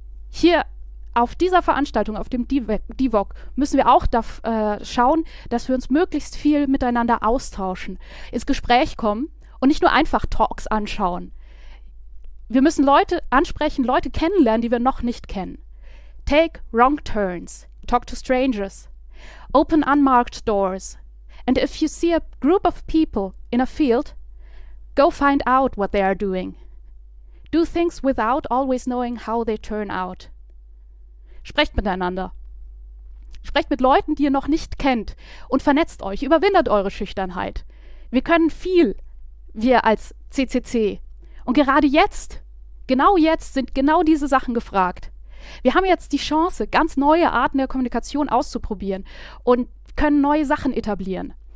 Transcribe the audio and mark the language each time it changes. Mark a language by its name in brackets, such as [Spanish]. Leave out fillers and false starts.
[German] Hier auf dieser Veranstaltung, auf dem DIVOC, müssen wir auch schauen, dass wir uns möglichst viel miteinander austauschen, ins Gespräch kommen und nicht nur einfach Talks anschauen. Wir müssen Leute ansprechen, Leute kennenlernen, die wir noch nicht kennen. [English] Take wrong turns, talk to strangers. Open unmarked doors. And if you see a group of people in a field, go find out what they are doing. Do things without always knowing how they turn out. [German] Sprecht miteinander. Sprecht mit Leuten, die ihr noch nicht kennt und vernetzt euch, überwindet eure Schüchternheit. Wir können viel, wir als CCC. Und gerade jetzt, genau jetzt, sind genau diese Sachen gefragt. Wir haben jetzt die Chance, ganz neue Arten der Kommunikation auszuprobieren und können neue Sachen etablieren.